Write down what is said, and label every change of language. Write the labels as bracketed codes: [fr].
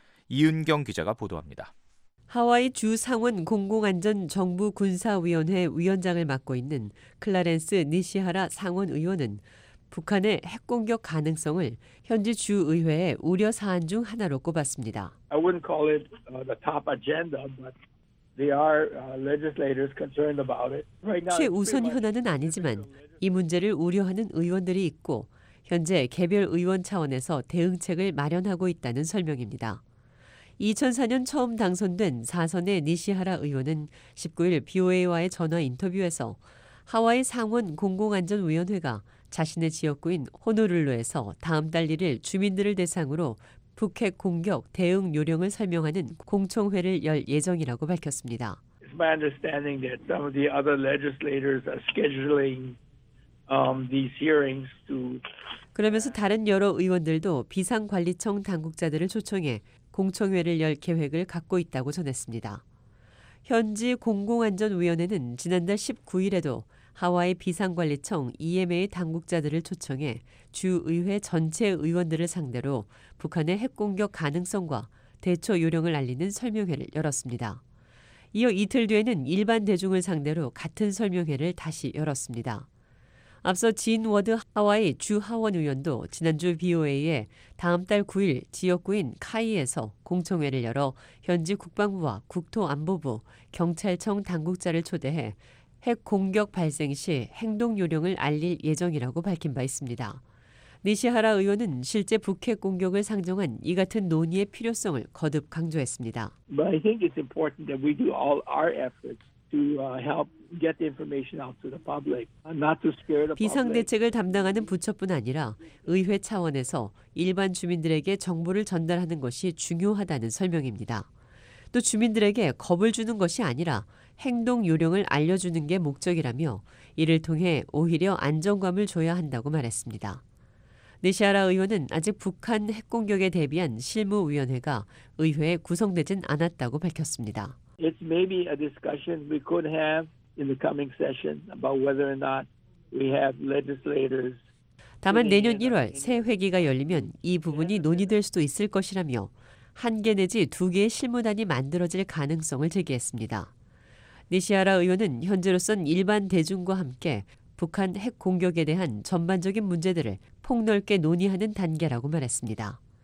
[ko] 이은경 기자가 보도합니다. 하와이 주 상원 공공안전정부군사위원회 위원장을 맡고 있는 클라렌스 니시하라 상원 의원은 북한의 핵 공격 가능성을 현지 주 의회의 우려 사안 중 하나로 꼽았습니다. [en] I wouldn't call it the top agenda, but they are legislators concerned about it. Right now, [ko] 최우선 현안은 아니지만 이 문제를 우려하는 의원들이 있고 현재 개별 의원 차원에서 대응책을 마련하고 있다는 설명입니다. 2004년 처음 당선된 4선의 니시하라 의원은 19일 BOA와의 전화 인터뷰에서 하와이 상원 공공안전위원회가 자신의 지역구인 호놀룰루에서 다음 달 1일 주민들을 대상으로 북핵 공격 대응 요령을 설명하는 공청회를 열 예정이라고 밝혔습니다. [en] It's my understanding that some of the other legislators are scheduling these hearings to [ko] 그러면서 다른 여러 의원들도 비상관리청 당국자들을 초청해 공청회를 열 계획을 갖고 있다고 전했습니다. 현지 공공안전위원회는 지난달 19일에도 하와이 비상관리청 EMA 당국자들을 초청해 주의회 전체 의원들을 상대로 북한의 핵공격 가능성과 대처 요령을 알리는 설명회를 열었습니다. 이어 이틀 뒤에는 일반 대중을 상대로 같은 설명회를 다시 열었습니다. 앞서 진 워드 하와이 주 하원 의원도 지난주 BOA에 다음 달 9일 지역구인 카이에서 공청회를 열어 현지 국방부와 국토안보부, 경찰청 당국자를 초대해 핵 공격 발생 시 행동 요령을 알릴 예정이라고 밝힌 바 있습니다. 니시하라 의원은 실제 북핵 공격을 상정한 이 같은 논의의 필요성을 거듭 강조했습니다. [en] But I think it's important that we do all our efforts to help get the information out to the public, not to scare the public. [ko] 비상 대책을 담당하는 부처뿐 아니라 의회 차원에서 일반 주민들에게 정보를 전달하는 것이 중요하다는 설명입니다. 또 주민들에게 겁을 주는 것이 아니라 행동 요령을 알려주는 게 목적이라며 이를 통해 오히려 안정감을 줘야 한다고 말했습니다. 니시하라 의원은 아직 북한 핵공격에 대비한 실무위원회가 의회에 구성되진 않았다고 밝혔습니다. [en] It's maybe a discussion we could have in the coming session about whether or not we have legislators. [ko] 다만 내년 1월 새 회기가 열리면 이 부분이 논의될 수도 있을 것이라며 한 개 내지 두 개의 실무단이 만들어질 가능성을 제기했습니다. 니시하라 의원은 현재로선 일반 대중과 함께 북한 핵 공격에 대한 전반적인 문제들을 폭넓게 논의하는 단계라고 말했습니다.